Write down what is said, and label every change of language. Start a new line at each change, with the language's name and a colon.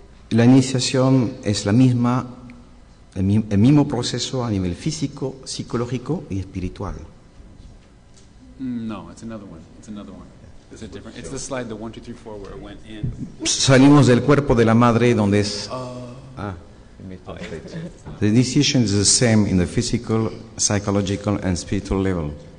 Spanish: La iniciación es la misma. El mismo proceso a nivel físico, psicológico y espiritual.
English: No, it's another one. It's another one. It's a different. It's the slide, the 1, 2, 3, 4, where it went in.
Spanish: Salimos del cuerpo de la madre, donde es.
English: The initiation is the same in the physical, psychological, and spiritual level.